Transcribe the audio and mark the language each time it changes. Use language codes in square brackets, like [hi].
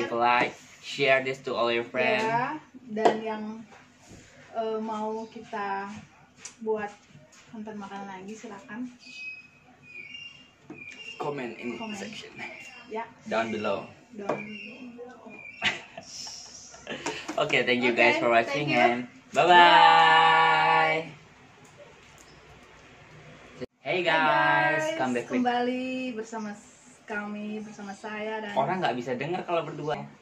[en] Give a like, share this to all your friends. Yeah. [id] Dan yang mau kita buat konten makan lagi, silakan [en] comment in the section. Yeah. Down below. Down below. Okay, thank you guys for watching and bye-bye. Hey guys, come back [id] kembali bersama kami, bersama saya dan orang enggak bisa dengar kalau berdua.